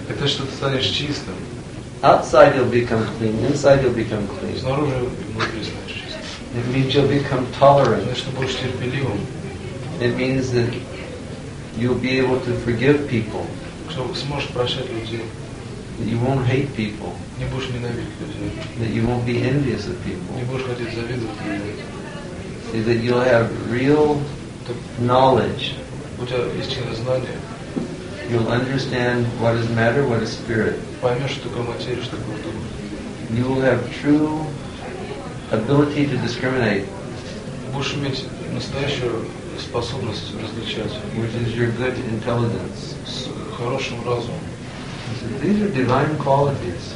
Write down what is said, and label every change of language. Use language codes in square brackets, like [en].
[ru] Это что ты станешь чистым. [en] Outside you'll become clean, inside you'll become clean. [ru] Снаружи внутри станешь чистым. [en] It means you'll become tolerant. [ru] Значит, ты будешь терпеливым. [en] It means that you'll be able to forgive people. [ru] Что сможешь прощать людей. [en] That you won't hate people. [ru] Не будешь ненавидеть людей. [en] That you won't be envious of people. [ru] Не будешь хотеть завидовать людей. [en] Is that you'll have real knowledge. [ru] У тебя истинное знание. [en] You'll understand what is matter, what is spirit. [ru] Поймешь, что такое материя, что такое дух. [en] You will have true ability to discriminate. [ru] Будешь иметь настоящую способность различать. [en] Which is your good intelligence. [ru] С хорошим разумом. [en] These are divine qualities.